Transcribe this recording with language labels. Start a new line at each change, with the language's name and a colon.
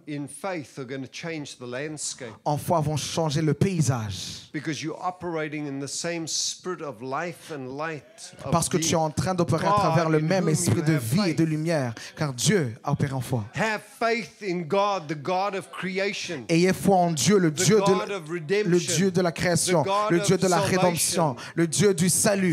English: in faith, are going to change the landscape.
French: En foi vont changer le paysage.
English: Because you're operating in the same spirit of life and light.
French: Parce que tu es en train d'opérer à travers le même esprit de vie et de lumière, car Dieu opère en foi.
English: Have faith in God, the God of creation.
French: Ayez foi en Dieu, le Dieu de le Dieu de la création, le Dieu de la rédemption, le Dieu du salut,